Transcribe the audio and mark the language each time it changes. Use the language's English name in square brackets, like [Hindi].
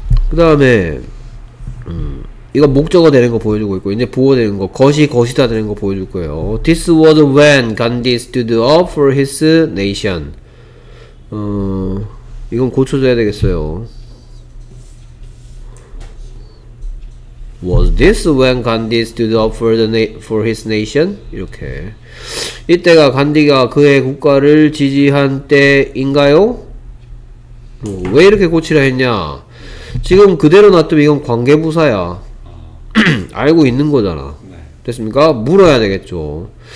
[Korean] 그 다음에 이거 목적어 되는 거 보여주고 있고 이제 보호 되는 거 것이다 되는 거 보여줄 거예요. [English] This was when Gandhi stood up for his nation. [Korean] 이건 고쳐줘야 되겠어요. [English] Was this when Gandhi stood up for his nation? [Korean] 이렇게 이때가 간디가 그의 국가를 지지한 때인가요? 왜 이렇게 고치라 했냐? 지금 그대로 놔두면 이건 관계부사야. 알고 있는 거잖아. 됐습니까? 물어야 되겠죠.